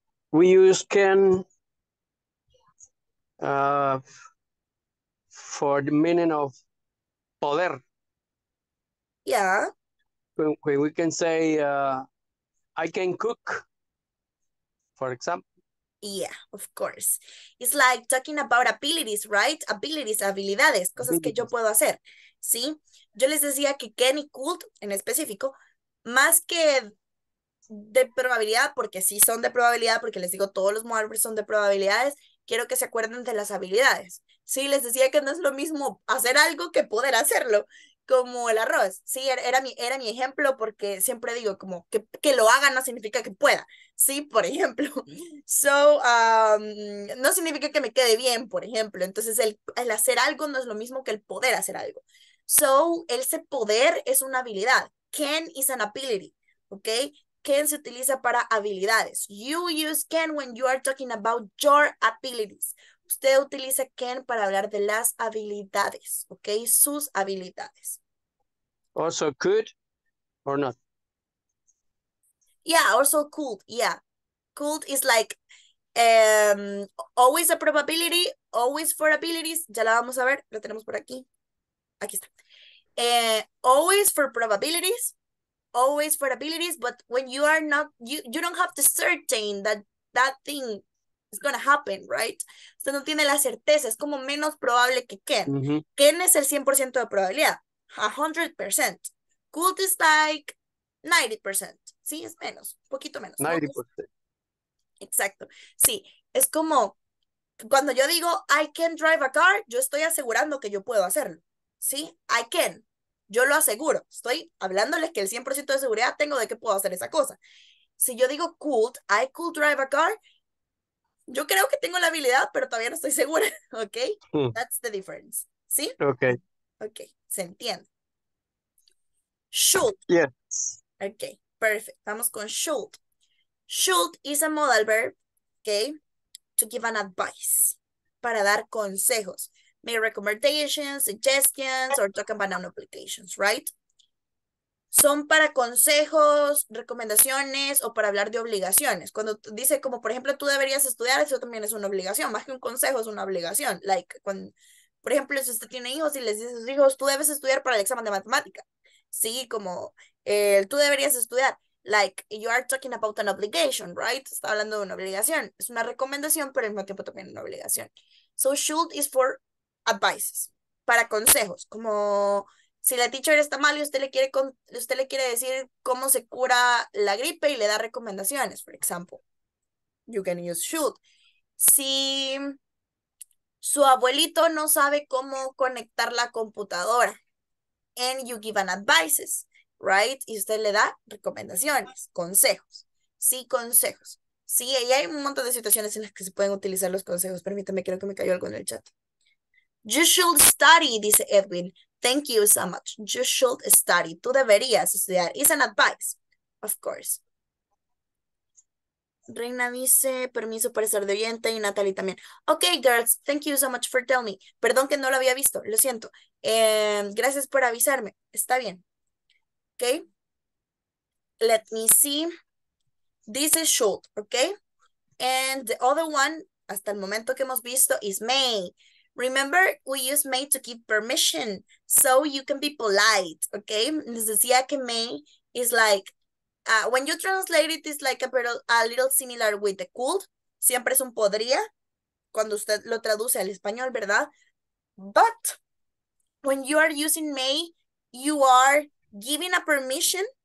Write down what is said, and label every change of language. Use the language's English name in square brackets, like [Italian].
[English] We use can for the meaning of poder. Yeah. When we can say I can cook, for example. Yeah, of course. It's like talking about abilities, right? [Spanish] Abilities, habilidades, cosas que yo puedo hacer, ¿sí? Yo les decía que can y could, en específico, más que de probabilidad, porque sí son de probabilidad, porque les digo, todos los modal verbs son de probabilidades, quiero que se acuerden de las habilidades. Sí, les decía que no es lo mismo hacer algo que poder hacerlo. como el arroz. Sí, era mi ejemplo porque siempre digo como que lo haga no significa que pueda. Sí, por ejemplo. No significa que me quede bien, por ejemplo. Entonces, el hacer algo no es lo mismo que el poder hacer algo. So, ese poder es una habilidad. [English] Can is an ability, [Spanish] ¿ok? Can se utiliza para habilidades. [English] You use can when you are talking about your abilities. [Spanish] Usted utiliza can para hablar de las habilidades, ¿ok? Sus habilidades. [English] Also could or not. Yeah, also could, yeah. Could is like always a probability, always for abilities. [Spanish] Ya la vamos a ver, la tenemos por aquí. Aquí está. [English] Always for probabilities, always for abilities, but when you are not, you don't have the certain that thing is gonna happen, right? [Spanish] Usted no tiene la certeza, es como menos probable que Ken. Ken es el 100% de probabilidad, 100%. [English] Could is like 90%, [Spanish] ¿sí? Es menos, un poquito menos, ¿no? 90%. Exacto. Sí, es como cuando yo digo [English] I can drive a car, [Spanish] yo estoy asegurando que yo puedo hacerlo. Sí, [English] I can. [Spanish] Yo lo aseguro. Estoy hablándoles que el 100% de seguridad tengo de que puedo hacer esa cosa. Si yo digo could, [English] I could drive a car, [Spanish] yo creo que tengo la habilidad, pero todavía no estoy segura. ¿Ok? [English] That's the difference. [Spanish] ¿Sí? [English] Okay. [Spanish] Ok, se entiende. Should. [English] Yes. Ok, perfect. [Spanish] Vamos con should. [English] Should is a modal verb, ¿ok? To give an advice. [Spanish] Para dar consejos. [English] Make recommendations, suggestions, or talk about an applications, right? [Spanish] Son para consejos, recomendaciones o para hablar de obligaciones. Cuando dice como, por ejemplo, tú deberías estudiar, eso también es una obligación. Más que un consejo, es una obligación. [English] Like, [Spanish] cuando, por ejemplo, si usted tiene hijos y les dice a sus hijos, tú debes estudiar para el examen de matemática. Sí, como, tú deberías estudiar. [English] Like, you are talking about an obligation, right? [Spanish] Está hablando de una obligación. Es una recomendación, pero al mismo tiempo también una obligación. [English] So, should is for advices, [Spanish] para consejos, como si la teacher está mal y usted le quiere decir cómo se cura la gripe y le da recomendaciones, por ejemplo. [English] You can use should. [Spanish] Si su abuelito no sabe cómo conectar la computadora, [English] and you give an advices, right? [Spanish] Y usted le da recomendaciones, consejos. Sí, consejos. Sí, y hay un montón de situaciones en las que se pueden utilizar los consejos. Permítame, creo que me cayó algo en el chat. [English] You should study, dice Edwin. Thank you so much. You should study. [Spanish] Tú deberías estudiar. [English] It's an advice, of course. [Spanish] Reina dice, permiso para estar de oyente y Natalie también. [English] Ok, girls, thank you so much for telling me. [Spanish] Perdón que no lo había visto, lo siento. Gracias por avisarme. Está bien. Ok. [English] Let me see. This is should, ok. And the other one, [Spanish] hasta el momento que hemos visto, [English] is may. Remember, we use may to give permission, so you can be polite, ¿ok? [Spanish] Les decía que [English] may is like, when you translate it, it's like a little similar with the could. [Spanish] Siempre es un podría cuando usted lo traduce al español, ¿verdad? [English] But when you are using may, you are giving a permission.